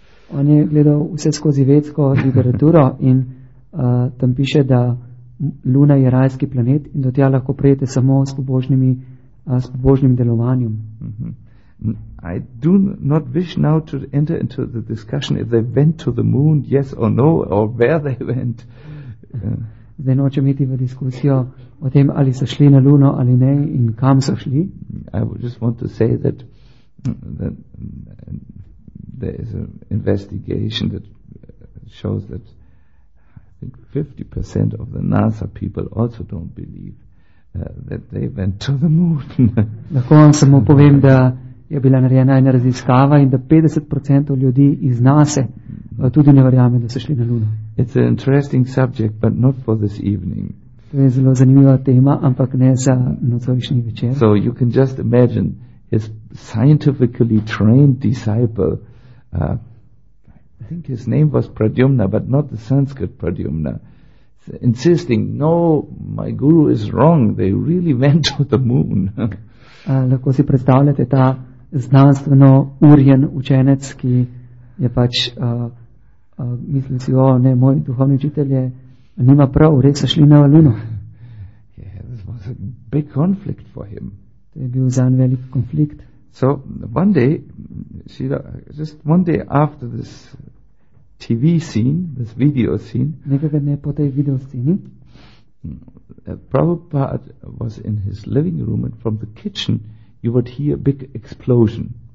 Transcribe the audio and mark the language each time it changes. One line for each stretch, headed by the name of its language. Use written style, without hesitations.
Slovenian: On je gledal vse skozi vedsko literaturo in tam piše, da Luna je rajski planet in do tja lahko prijete samo s pobožnim delovanjem. Mm-hmm.
English: I do not wish now to enter into the discussion if they went to the moon, yes or no, or where they went.
Slovenian: Zdaj nočem iti v diskusijo o tem, ali so šli na Luno ali ne in kam so šli.
English: I just want to say that there is an investigation that shows that I think 50% of the NASA people also don't believe that they went to the moon.
Slovenian: Lahko vam samo povem, da je bila narejena ena raziskava in da 50% ljudi iz NASA tudi ne verjame, da so šli na Luno.
English: It's an interesting subject, but not for this evening.
Slovenian: To je zelo zanimiva tema, ampak ne za nocojšnji večer.
English: So you can just imagine his scientifically trained disciple. I think his name was Pradyumna, but not the Sanskrit Pradyumna, insisting, no, my guru is wrong, they really went to the moon.
Slovenian: Lahko si predstavljate ta znanstveno urjen učenec, ki je pač, mislil si, o ne, moj duhovni učitelj nima prav, res so šli na Luno.
English: Yeah, this was a big conflict for him.
Slovenian: To je bil zanj velik konflikt.
English: So one day, Srila, just one day after this TV scene, this video scene,
Slovenian: nekega dne po tej video sceni,
English: Prabhupada was in his living room and from the kitchen you would hear a big explosion.